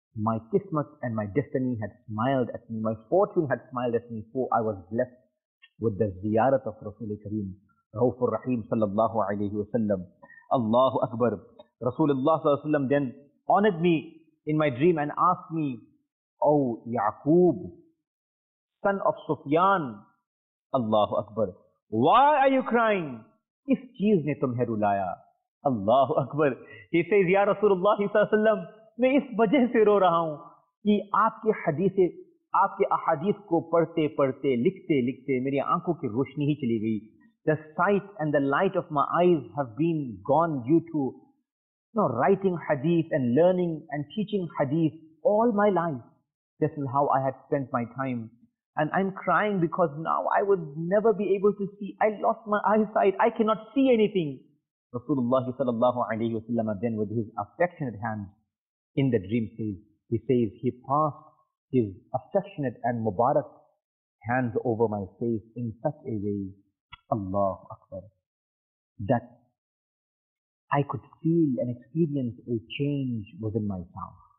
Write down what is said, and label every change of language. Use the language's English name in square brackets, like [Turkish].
[English] My kismet and my destiny had smiled at me, my fortune had smiled at me, for I was blessed with the ziyarat of Rasul Kareem, Raufur Rahim sallallahu alayhi wa sallam. Allahu Akbar. Rasulullah sallallahu alayhi wa sallam then honored me in my dream and asked me, O Yaqub, son of Sufyan, Allahu Akbar, why are you crying? [Hindi] Is cheez ne tumhe rulaya? Allahu Akbar. [English] He says, [Hindi] Ya Rasulullah sallallahu alayhi wa sallam, मैं इस वजह से रो रहा हूँ कि आपके हदीसें, आपके अहादीस को पढ़ते पढ़ते लिखते लिखते मेरी आंखों की रोशनी ही चली गई. [English] The sight and the light of my eyes have been gone due to no writing हदीस and learning and teaching हदीस all my life. This is how I have spent my time and I am crying because now I would never be able to see. I lost my eye sight, I can not see anything. रसूलुल्लाह सल्लल्लाहु अलैहि वसल्लम then with his affectionate hand in the dream says, he says, he passed his affectionate and mubarak hands over my face in such a way, Allahu Akbar, that I could feel and experience a change within myself.